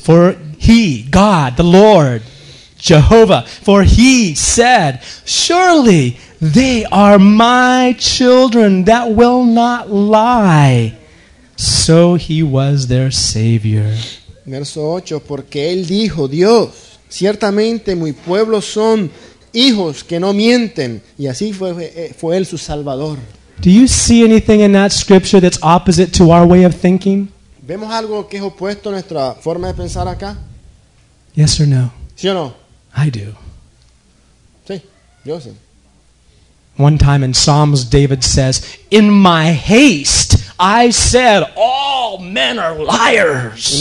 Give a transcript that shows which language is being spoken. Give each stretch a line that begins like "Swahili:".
English: For he, God, the Lord, Jehovah, for he said, surely they are my children that will not lie. So he was their savior.
Spanish: Verso 8. Porque él dijo, Dios, ciertamente mi pueblo son hijos que no mienten, y así fue él su salvador.
English: Do you see anything in that scripture that's opposite to our way of thinking?
Spanish: ¿Vemos algo que es opuesto a nuestra forma de pensar acá?
English: Yes or no?
Spanish: ¿Sí o no?
English: I do.
Spanish: Sí, yo sí.
English: One time in Psalms, David says, in my haste, I said, all men are liars.